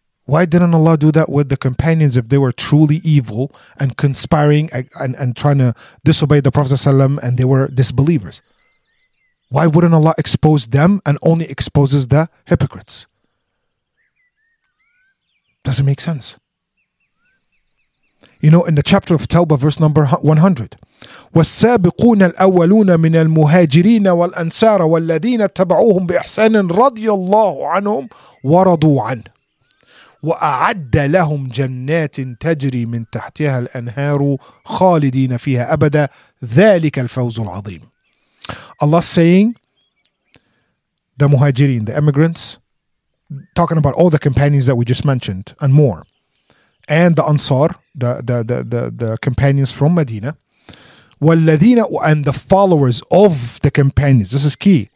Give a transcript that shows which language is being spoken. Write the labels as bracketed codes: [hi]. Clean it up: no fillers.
[en] Why didn't Allah do that with the companions if they were truly evil and conspiring and trying to disobey the Prophet ﷺ and they were disbelievers? Why wouldn't Allah expose them and only exposes the hypocrites? Doesn't make sense. You know, in the chapter of Tawbah, verse number 100, [ar] وَالسَّابِقُونَ الْأَوَّلُونَ مِنَ الْمُهَاجِرِينَ وَالْأَنْسَارَ وَالَّذِينَ اتَّبَعُوهُمْ بِإِحْسَانٍ رَضِيَ اللَّهُ عَنْهُمْ وَرَضُوا عَنْهُ وَأَعَدَّ لَهُمْ جَنَّاتٍ تَجْرِي مِنْ تَحْتِهَا الْأَنْهَارُ خَالِدِينَ فِيهَا أَبَدًا ذَلِكَ الْفَوْزُ الْعَظِيمُ. [en] Allah saying, the muhajirin, the immigrants, talking about all the companions that we just mentioned and more, and the Ansar, the companions from Medina, وَالَّذِينَ, and the followers of the companions. This is key.